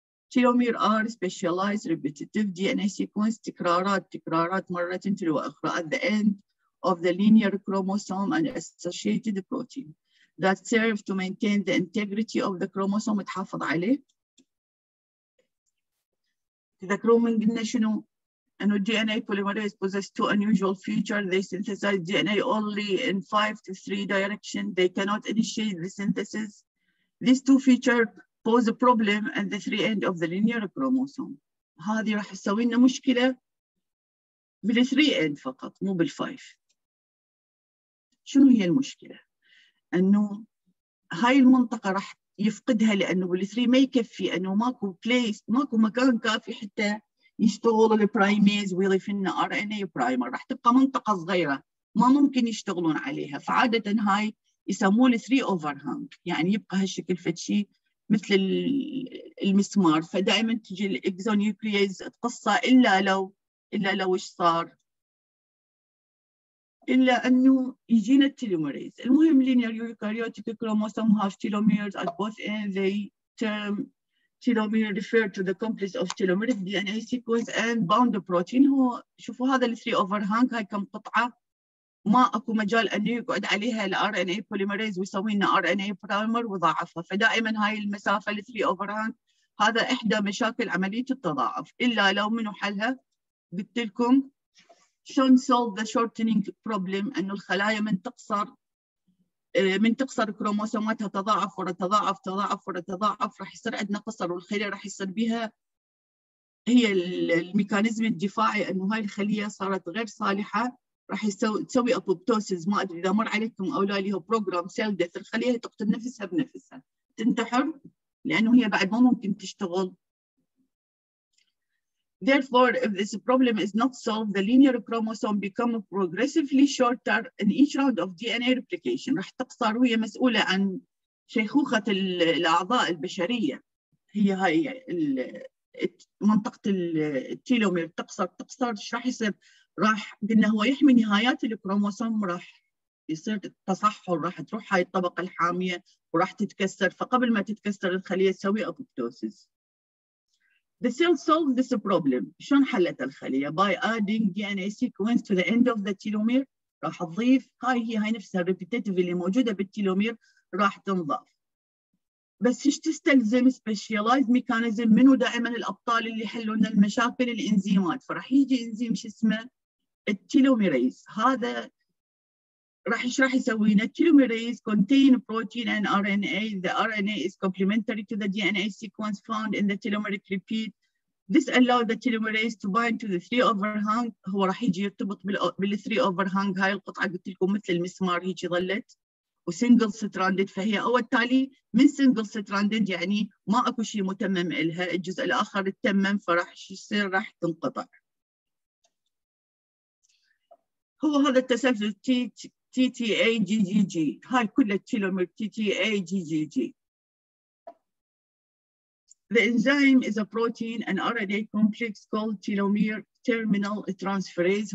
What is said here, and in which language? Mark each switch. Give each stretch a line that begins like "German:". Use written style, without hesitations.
English: telomere are specialized repetitive D N A sequences,
Arabic: تكرارات مرتين تلو اخرى.
English: at the end of the linear chromosome and associated protein that serve to maintain the integrity of the chromosome,
Arabic: تحافظ عليه. تذكرون من قلنا شنو؟ أنه
English: DNA polymerase possess two unusual features. They synthesize DNA only in 5-3 direction. They cannot initiate the synthesis. These two features pose a problem at the three end of the linear chromosome.
Arabic: هذه راح تسوي لنا مشكلة بال three end فقط، مو بال five. شنو هي المشكلة؟ أنه هاي المنطقة راح يفقدها لأنه بال three ما يكفي، أنه ماكو place، ماكو مكان كافي حتى يشتغل البرايميز ويضيف لنا ار ان اي برايمر. راح تبقى منطقه صغيره ما ممكن يشتغلون عليها، فعاده هاي يسموه الثري اوفر هانج، يعني يبقى هالشكل فتشي مثل المسمار. فدائما تجي الاكزونيوكليز تقصها الا لو ايش صار، الا انه يجينا التيلوميريز. المهم
English: Linear eukaryotic chromosome have telomeres at both end the term telomere refer to the complex of telomeric DNA sequence and bound protein.
Arabic: هو شوفوا هذا الـ 3 over hang، هاي كم قطعة ما أكو مجال أن يقعد عليها الـ RNA polymerase ويسوي لنا RNA primer وضاعفها. فدائما هاي المسافة الـ 3 over hang هذا إحدى مشاكل عملية التضاعف، إلا لو منو حلها قلت لكم شون
English: solve the shortening problem،
Arabic: أنه الخلايا من تقصر كروموسوماتها تضاعف ورا تضاعف تضاعف ورا تضاعف، راح يصير عندنا قصر، والخلية راح يصير بها هي الميكانيزم الدفاعي أنه هاي الخلية صارت غير صالحة، راح تسوي أبوبتوسيس. ما أدري إذا مر عليكم أو لا، اللي هو بروجرام سيل ديث، الخلية تقتل نفسها بنفسها، تنتحر لأنه هي بعد ما ممكن تشتغل.
English: Therefore, if this problem is not solved, the linear chromosome becomes progressively shorter in each round of DNA replication.
Arabic: راح تقصر، وهي مسؤولة عن شيخوخة الأعضاء البشرية. هي منطقة التيلومير تقصر. إيش راح يصير؟ راح قلنا هو يحمي نهايات الكروموسوم، راح يصير تصحر، راح تروح هاي الطبقة الحامية وراح تتكسر. فقبل ما تتكسر الخلية تسوي apoptosis.
English: The cell solved this problem.
Arabic: شلون حلت الخلية؟
English: By adding DNA sequence to the end of the telomere.
Arabic: راح تضيف هاي نفسها repetitive اللي موجودة بالتيلومير راح تنضاف. بس ايش تستلزم
English: specialized mechanism؟
Arabic: منو دائما الأبطال اللي حلونا المشاكل؟ الإنزيمات. فراح يجي إنزيم شو اسمه التيلوميريز. هذا راح يشرح يسوينا.
English: Telomerase contain protein and RNA. The RNA is complementary to the DNA sequence found in the telomeric repeat. This allows the telomerase to bind to the three overhang.
Arabic: هو راح يجي يرتبط بال three overhang. هاي القطعة قلت لكم مثل المسمار هيجي ظلت و single stranded. فهي أول تالي من single stranded، يعني ما أكو شيء متمم إلها، الجزء الآخر التمم، فراح يصير راح تنقطع. هو هذا التسلسل TTAGGG، هاي كلها تيلومير TTAGGG.
English: The enzyme is a protein and RNA complex called telomere terminal transferase.